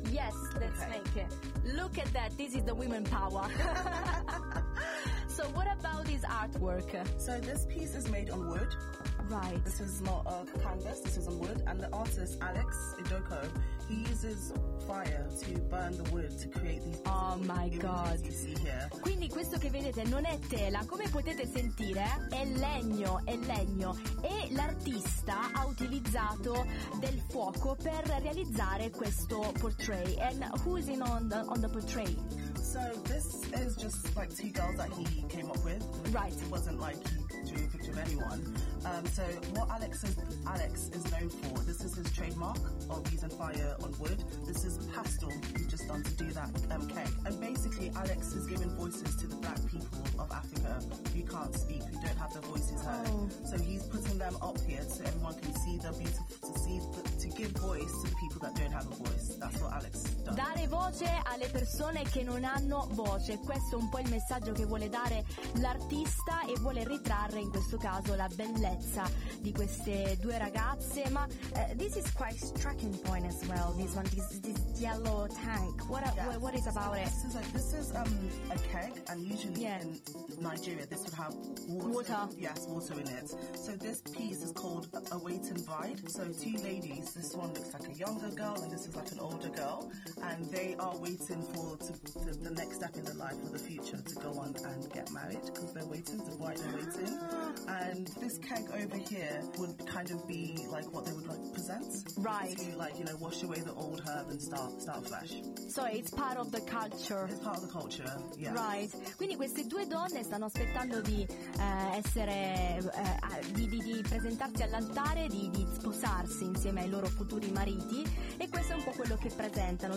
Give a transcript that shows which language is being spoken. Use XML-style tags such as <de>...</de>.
<en>Yes, let's make it. Look at that. This is the women power. So what about this artwork? So this piece is made on wood. Right. This is not a canvas, this is on wood. And the artist, Alex Njoku, he uses fire to burn the wood to create these Oh my god. You see here.</en> <it>Quindi questo che vedete non è tela, come potete sentire è legno. E l'artista ha utilizzato del fuoco per realizzare questo portrait.</it> <en>And who's in on the portrait? So this is just like two girls that he came up with. Right. It wasn't like he drew a picture of anyone. So what Alex is known for, this is his trademark of using fire on wood. This is pastel he's just done to do that cake. And basically Alex is giving voices to the black people of Africa who can't speak, who don't have their voices heard. Oh. So he's putting them up here so everyone can see their beautiful, to give voice to the people that don't have a voice. That's what Alex does.</en> <it>Dare voce alle persone che non hanno voce. Questo è un po' il messaggio che vuole dare l'artista e vuole ritrarre in questo caso la bellezza di queste due ragazze.</it> <en>Ma this is quite striking point as well. This one, this yellow tank. What is about so it? This is a keg, and usually in Nigeria this would have water. Yes, water in it. So this piece is called A Wait and Bride. So two ladies. This one looks like a younger girl, and this is like an older girl, and they are waiting for the next step in their life, for the future, to go on and get married, because they're waiting, the bride are waiting. And this keg over here would kind of be like what they would like present. Right. To, like, you know, wash away the old herb and start fresh. So it's part of the culture. It's part of the culture, yeah. Right.</en> <it>Quindi queste due donne stanno aspettando di essere di presentarsi all'altare, di sposarsi insieme ai loro futuri mariti, e questo è un po' quello che presentano.</it>